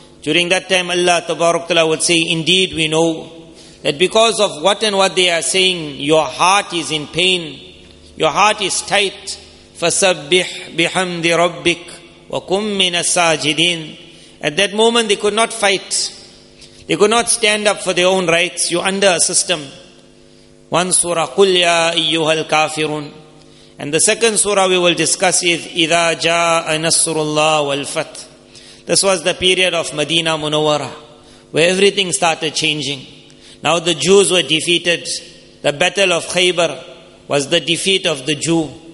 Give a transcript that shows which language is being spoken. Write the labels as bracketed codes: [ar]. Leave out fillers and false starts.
[en] During that time, Allah Tabarakallah would say, indeed we know that because of what they are saying, your heart is in pain, your heart is tight. [ar] فَسَبِّحْ بِحَمْدِ رَبِّكَ وَكُمْ مِنَ السَّاجِدِينَ. [en] At that moment, they could not fight. They could not stand up for their own rights. You're under a system. One surah, [ar] قُلْ يَا أَيُّهَا الْكَافِرُونَ. [en] And the second surah we will discuss is [ar] إِذَا جَاءَ نَصْرُ اللَّهِ وَالْفَتْحِ. [en] This was the period of Madina Munawwara, where everything started changing. Now the Jews were defeated. The battle of Khaybar was the defeat of the Jew.